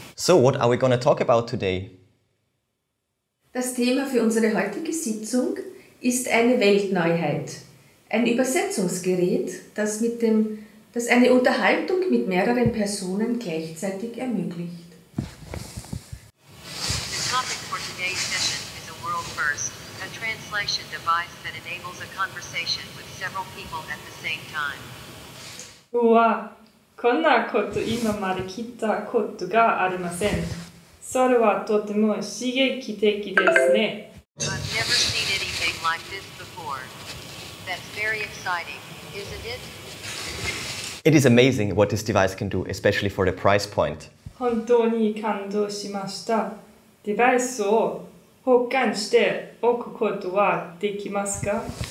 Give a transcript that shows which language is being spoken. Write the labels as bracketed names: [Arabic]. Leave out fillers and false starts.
[English] So, what are we going to talk about today? [German] Das Thema für unsere heutige Sitzung ist eine Weltneuheit. Ein Übersetzungsgerät, das eine Unterhaltung mit mehreren Personen gleichzeitig ermöglicht. [English] The topic for today's session is a world first. A translation device that enables a conversation with several people at the same time. [Japanese] わあ、こんなこと今まで聞いたことがありません。それはとても刺激的ですね。 [English] I've never seen anything like this before. That's very exciting, isn't it? It is amazing what this device can do, especially for the price point. [Japanese] 本当に感動しました。デバイスを 保管しておくことはできますか?